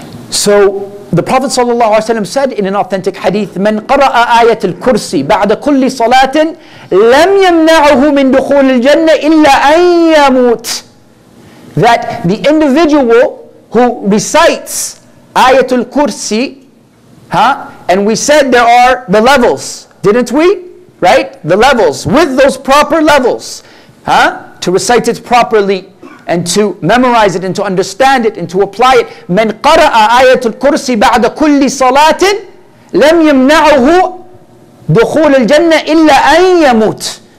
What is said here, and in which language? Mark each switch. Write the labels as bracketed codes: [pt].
[en] So the Prophet sallallahu alaihi wasallam said in an authentic hadith, [ar] من قرأ آية الكرسي بعد كل صلاة لم يمنعه من دخول الجنة إلا أن يموت. [en] That the individual who recites Ayatul Kursi, and we said there are the levels, didn't we? Right? The levels, with those proper levels, to recite it properly and to memorize it and to understand it and to apply it. [ar] من قرأ آيات الكرسي بعد كل صلاة لم يمنعه دخول الجنة إلا أن يموت.